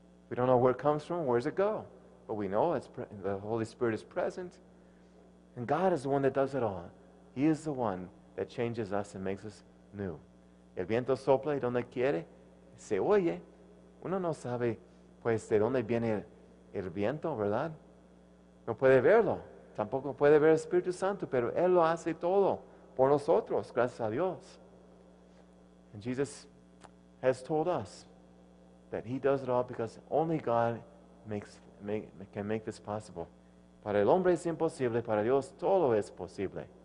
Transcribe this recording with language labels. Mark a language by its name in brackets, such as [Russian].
[English] We don't know where it comes from, where does it go? But we know the Holy Spirit is present. And God is the one that does it all. He is the one that changes us and makes us new. [Spanish] El viento sopla y donde quiere, se oye. Uno no sabe, pues, de dónde viene el viento, ¿verdad? No puede verlo. Tampoco puede ver el Espíritu Santo, pero Él lo hace todo por nosotros, gracias a Dios. [English] And Jesus has told us that He does it all because only God can make this possible. [Spanish] Para el hombre es imposible, para Dios todo es posible.